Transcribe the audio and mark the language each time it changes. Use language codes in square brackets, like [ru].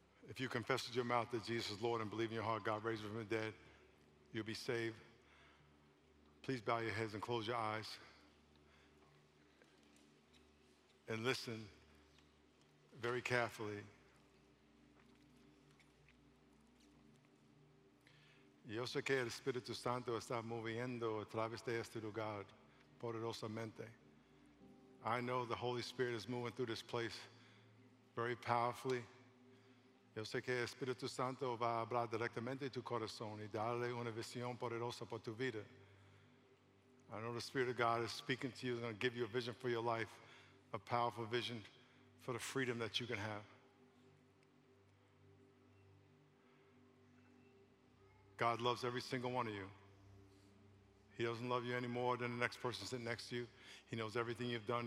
[en] If you confess with your mouth that Jesus is Lord and believe in your heart God raised him from the dead, you'll be saved. Please bow your heads and close your eyes. And listen very carefully. [es] Yo sé que el Espíritu Santo está moviendo a través de este lugar poderosamente. [en] I know the Holy Spirit is moving through this place very powerfully. [es] Yo sé que el Espíritu Santo va a hablar directamente tu corazón y darle una visión poderosa por tu vida. [en] I know the Spirit of God is speaking to you, is going to give you a vision for your life. A powerful vision for the freedom that you can have. God loves every single one of you. He doesn't love you any more than the next person sitting next to you. He knows everything you've done.